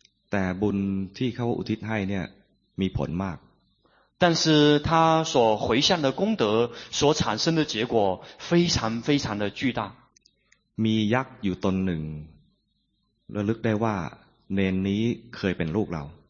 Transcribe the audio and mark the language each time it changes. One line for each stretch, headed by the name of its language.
Thai: แต่บุญที่เขาอุทิศให้เนี่ยมีผลมาก
Chinese: 但是他所回向的功德所产生的结果非常非常的巨大
Thai: มียักษ์อยู่ตนหนึ่งระลึกได้ว่าเนนนี้เคยเป็นลูกเรา